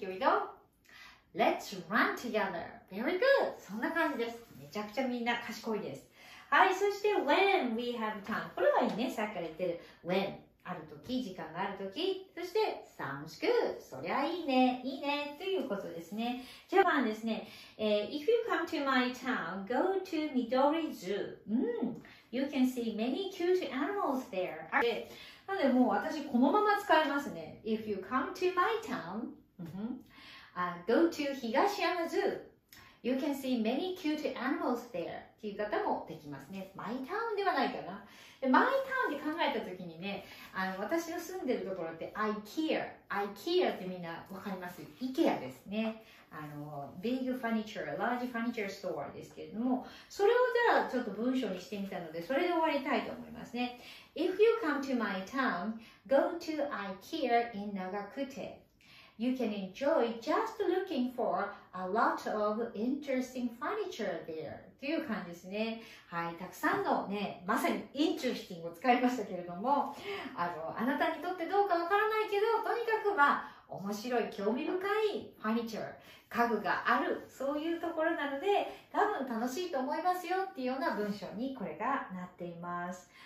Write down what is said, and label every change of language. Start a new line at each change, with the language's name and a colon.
English: Here we go. Let's run together. Very good.
Japanese: そんな感じです。めちゃくちゃみんな賢いです。はい、そして
English: When we have time。
Japanese: これはいいね。さっきから言ってる When。あるとき、時間があるとき、そして、サムシク、そりゃいいね、いいね、ということですね。じゃあ、まあですね、
English: If you come to my town, go to Midori Zoo.、You can see many cute animals there.
Japanese: なので、もう私、このまま使いますね。
English: If you come to my town, go to 東山 Zoo. You can see many cute animals there.
Japanese: っていう方もできますね。 My town ではないかな。My town で考えたときにね、私の住んでるところって IKEA。 IKEA ってみんなわかります ?IKEA ですね。
English: Big furniture, large furniture store
Japanese: ですけれども、それをじゃあちょっと文章にしてみたので、それで終わりたいと思いますね。
English: If you come to my town, go to IKEA in Nagakute. You can enjoy just looking for a lot of interesting furniture there.
Japanese: という感じですね。はい。たくさんのね、まさに interesting を使いましたけれども、あなたにとってどうかわからないけど、とにかくまあ、面白い、興味深いファニチャー、家具がある、そういうところなので、多分楽しいと思いますよっていうような文章にこれがなっています。